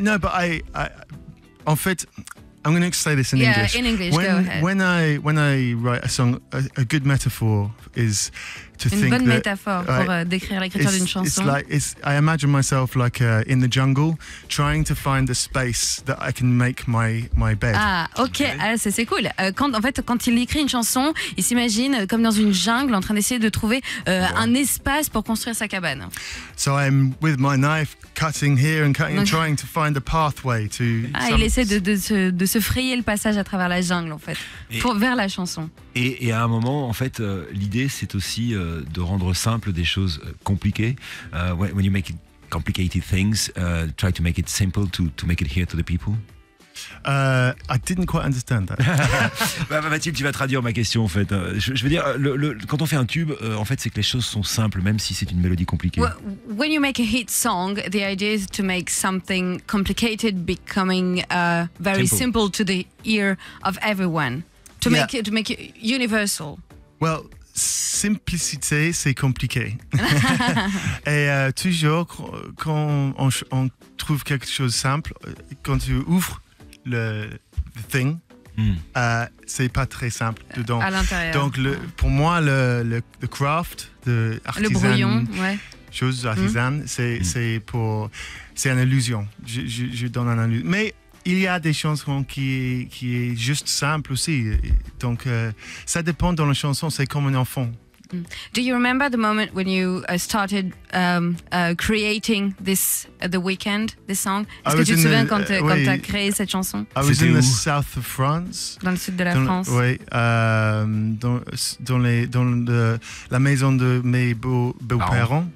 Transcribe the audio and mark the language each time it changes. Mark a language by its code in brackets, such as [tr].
[en] No, but I [fr] en fait, [en] I'm going to say this in English. Yeah, in English. When I write a song, a good metaphor is to [fr] une [en] think [fr] bonne [en] that, [fr] métaphore pour décrire l'écriture d'une chanson. [en] I imagine myself like in the jungle, trying to find the space that I can make my bed. [fr] C'est cool. Quand il écrit une chanson, il s'imagine comme dans une jungle, en train d'essayer de trouver un espace pour construire sa cabane. [en] So I'm with my knife cutting here and cutting, trying to find a pathway to. [fr] Il essaie de se frayer le passage à travers la jungle en fait, vers la chanson. Et à un moment, en fait, l'idée, c'est aussi de rendre simple des choses compliquées. [en] When you make it complicated things, try to make it simple to make it here to the people. I didn't quite understand that. [fr] Mathilde, tu vas traduire ma question en fait. Je veux dire, quand on fait un tube, en fait, c'est que les choses sont simples, même si c'est une mélodie compliquée. [en] When you make a hit song, the idea is to make something complicated becoming very simple to the ear of everyone. To make it universal. [fr] Well, simplicité, c'est compliqué. Et toujours, quand on trouve quelque chose de simple, quand tu ouvres [en] the thing, [fr] c'est pas très simple dedans. À l'intérieur. Donc, pour moi, le craft, l'artisan, c'est une illusion. Je donne une illusion. Mais il y a des chansons qui est juste simple aussi. Donc ça dépend dans la chanson, c'est comme un enfant. [en] Do you remember the moment when you started creating this the weekend this song? [fr] Est-ce que tu te souviens quand quand t'as créé cette chanson? [en] I was in the south of France. [fr] Dans le sud de la France. Oui, dans la maison de mes beaux parents.